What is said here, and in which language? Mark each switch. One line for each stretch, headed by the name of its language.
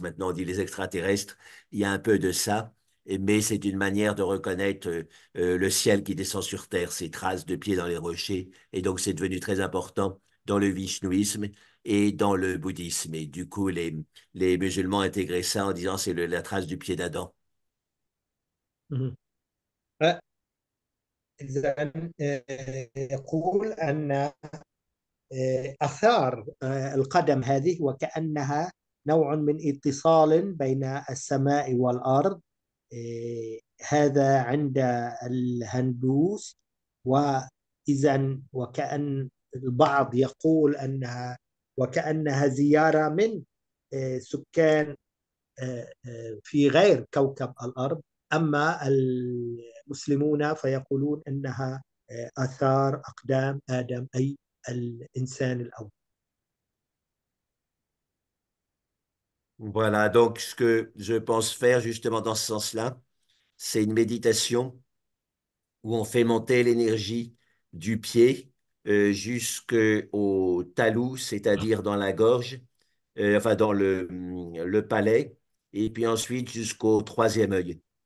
French: Maintenant, on dit les extraterrestres. Il y a un peu de ça, mais c'est une manière de reconnaître le ciel qui descend sur terre, ces traces de pieds dans les rochers. Et donc, c'est devenu très important dans le vishnouisme et dans le bouddhisme. Et du coup, les musulmans ont intégré ça en disant c'est la trace du pied d'Adam.
Arabic: إذن يقول أن آثار القدم هذه وكأنها نوع من اتصال بين السماء والأرض، هذا عند الهندوس. وإذن وكأن البعض يقول أنها وكأنها زيارة من سكان في غير كوكب الأرض، أما المسلمون فيقولون أنها آثار أقدام آدم أي الإنسان الأول.
French: Voilà, donc ce que je pense faire justement dans ce sens-là, c'est une méditation où on fait monter l'énergie du pied jusqu'au talus, c'est-à-dire dans la gorge, enfin dans le palais, et puis ensuite jusqu'au troisième œil.